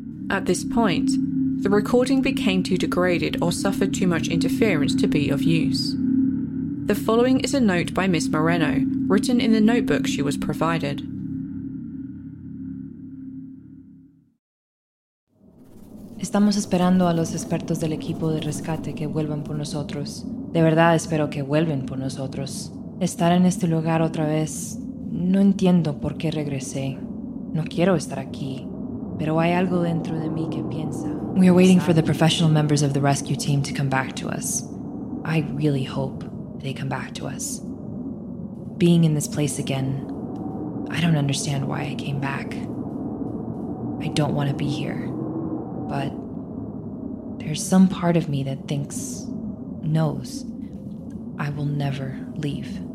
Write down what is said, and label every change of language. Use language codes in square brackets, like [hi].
[en] At this point, the recording became too degraded or suffered too much interference to be of use. The following is a note by Miss Moreno, written in the notebook she was provided. [es] Estamos esperando a los expertos del equipo de rescate que vuelvan por nosotros. De verdad espero que vuelvan por nosotros. Estar en este lugar otra vez, no entiendo por qué regresé. No quiero estar aquí, pero hay algo dentro de mí que piensa. [en] We are waiting for the professional members of the rescue team to come back to us. I really hope they come back to us. Being in this place again, I don't understand why I came back. I don't want to be here. But there's some part of me that thinks, knows, I will never leave.